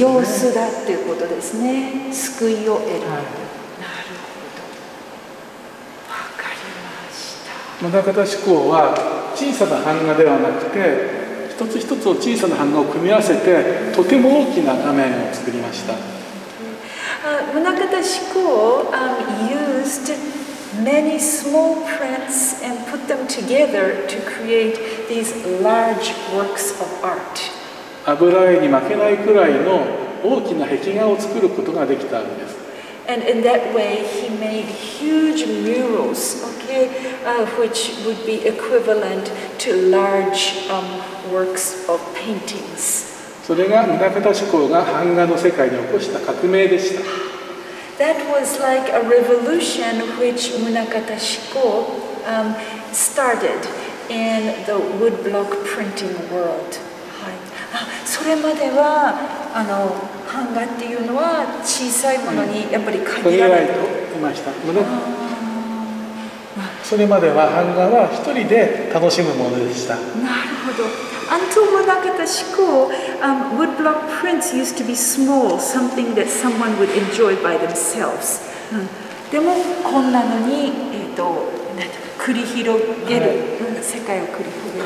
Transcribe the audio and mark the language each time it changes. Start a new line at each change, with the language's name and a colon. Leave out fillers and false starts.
Japanese: 様子だっていうことですね。救いを得る。はい、なるほど。わかりました。棟方志功は小さな版画ではなくて、一つ一つの小さな版画を組み合わせてとても大きな画面を作りました。
English: 棟方志功 used many small prints and put them together to create these large works of art.
Japanese: 油絵に負けないくらいの大きな壁画を作ることができたんです。
English: And in that way, he made huge murals, okay, which would be equivalent to large works of paintings.
Japanese: それが棟方志功が版画の世界に起こした革命でした。
English: That was like a revolution which Munakata Shiko started in the woodblock printing world.
Japanese: はい。それまでは版画っていうのは小さいものにやっぱり限られていました。それまでは版画は一人で楽しむものでした。なるほど。
English: Until Munakata Shiko, woodblock prints used to be small, something that someone would enjoy by themselves.
Japanese: でもこんなのに、繰り広げる、はい、世界を繰り広げる、